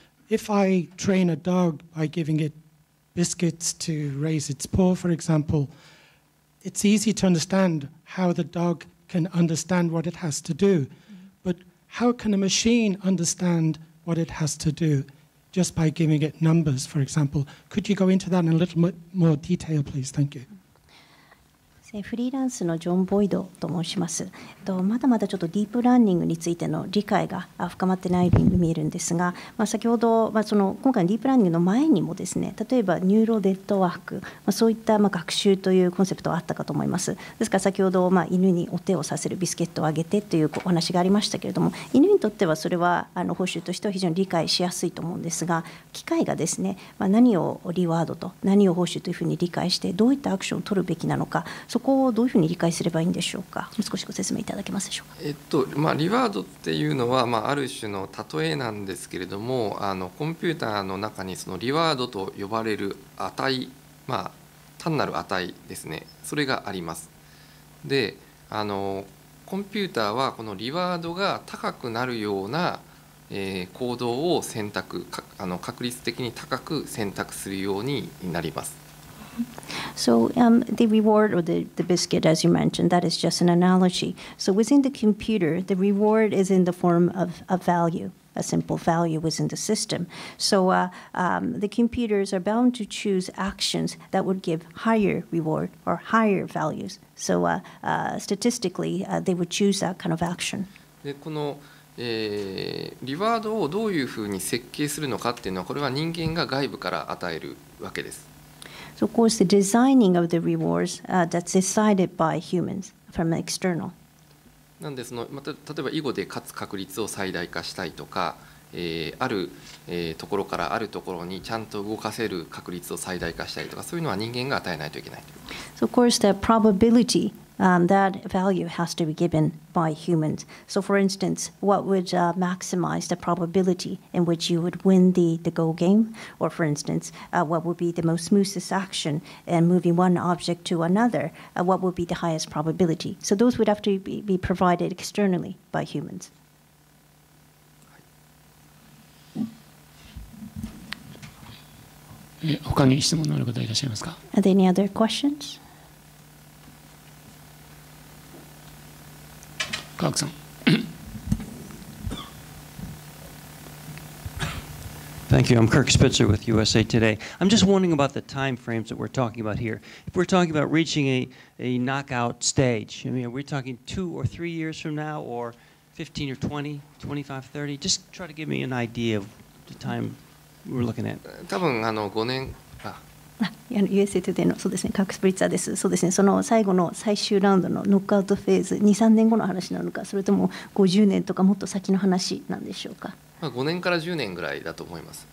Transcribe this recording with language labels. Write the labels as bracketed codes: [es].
[en] If I train a dog by giving it biscuits to raise its paw, for example, it's easy to understand how the dog can understand what it has to do. But how can a machine understand what it has to do just by giving it numbers, for example? Could you go into that in a little bit more detail, please? Thank you. [ja] フリーランスのジョン・ボイドと申します。まだまだちょっとディープラーニングについての理解が深まってないように見えるんですが、まあ、先ほど、まあ、その今回のディープラーニングの前にもですね、例えばニューロネットワーク、まあ、そういったまあ学習というコンセプトはあったかと思います。ですから先ほど、まあ、犬にお手をさせるビスケットをあげてというお話がありましたけれども、犬にとってはそれはあの報酬としては非常に理解しやすいと思うんですが、機械がですね、まあ、何をリワードと何を報酬というふうに理解してどういったアクションを取るべきなのか、そこをどういうふうに理解すればいいんでしょうか。少しご説明いただけますでしょうか。まあ、リワードっていうのは、まあ、ある種の例えなんですけれども、あのコンピューターの中にそのリワードと呼ばれる値、まあ、単なる値ですね、それがあります。であのコンピューターはこのリワードが高くなるような、行動を選択か、あの確率的に高く選択するようになります。 [en] So the reward or the biscuit, as you mentioned, that is just an analogy. So within the computer, the reward is in the form of a value. a simple value within the system. So the computers are bound to choose actions that would give higher reward or higher values. So statistically, they would choose that kind of action. [ja] でこの、リワードをどういうふうに設計するのかっていうのは、これは人間が外部から与えるわけです。 [en] So of course, the designing of the rewards that's decided by humans from external. [ja] なんでその、また、例えば囲碁で勝つ確率を最大化したいとか、ある、ところからあるところにちゃんと動かせる確率を最大化したいとか、そういうのは人間が与えないといけない。 [en] So of course, the probability, that value has to be given by humans. So for instance, what would maximize the probability in which you would win the Go game? Or for instance, what would be the most smoothest action in moving one object to another? What would be the highest probability? So those would have to be provided externally by humans. Are there any other questions? [ja] 科学さん。 [en] Thank you. I'm Kirk Spitzer with USA Today. I'm just wondering about the time frames that we're talking about here. If we're talking about reaching a knockout stage, I mean, are we talking 2 or 3 years from now, or 15 or 20, 25, 30? Just try to give me an idea of the time we're looking at. [ja] 多分あの5年 USA Today のそうですね、カクスプリッツァーです。そうですね、その最後の最終ラウンドのノックアウトフェーズ、2、3年後の話なのか、それとも50年とかもっと先の話なんでしょうか。まあ、5年から10年ぐらいだと思います。